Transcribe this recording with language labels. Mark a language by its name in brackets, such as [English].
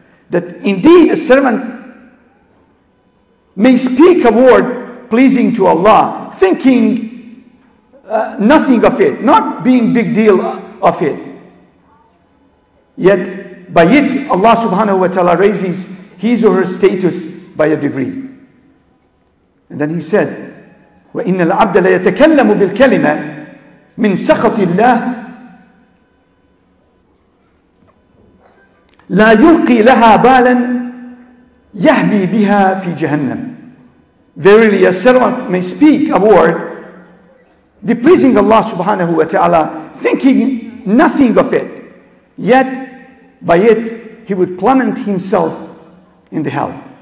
[English] That indeed a servant may speak a word pleasing to Allah, thinking nothing of it, not being big deal of it. Yet by it, Allah subhanahu wa ta'ala raises his or her status by a degree. And then he said, [Arabic] وَإِنَّ الْعَبْدَ لَيَتَكَلَّمُ بِالْكَلِمَةِ مِنْ سَخَطِ اللَّهِ لَا يُلْقِي لَهَا بَالًا يَهْبِي بِهَا فِي جَهَنَّمِ. [English] Verily a servant may speak a word displeasing Allah subhanahu wa ta'ala, thinking nothing of it, yet by it he would plummet himself in the hell.